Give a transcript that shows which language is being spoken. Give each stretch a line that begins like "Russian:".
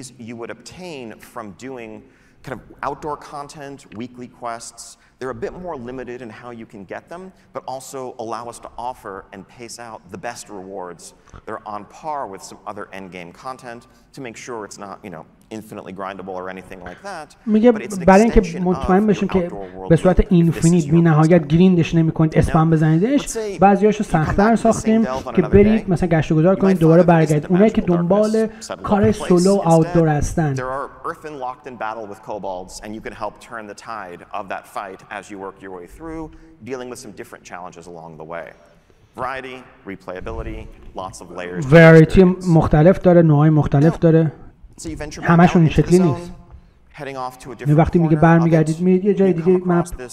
English: Keys you would obtain from doing kind of outdoor content, weekly quests. They're a bit more limited in how you can get them, but also allow us to offer and pace out the best rewards. They're on par with some other end-game content to make sure it's not, you know, infinitely grindable or anything like that.
Persian: میگه برای اینکه مطمئن بشیم که به صورت اینفینیت بی‌نهایت گریندش نمی‌کنید، اسپم بزنیدش، بعضیاشو سخت‌تر ساختیم که برید مثلا گشت و گذار کنید، دوباره برگردید. اونایی که دنبال کار سولو آوتدور هستن،
English: there are earthen locked in battle with kobolds and you can help turn the tide of that fight as you work your way through dealing with some different challenges along the way. Variety, replayability, lots of layers.
Persian: Variety مختلف داره، نوعای مختلف داره. همشون این شکلی نیست. می وقتی میگه برمیگردید میرید یه جای دیگه مپ.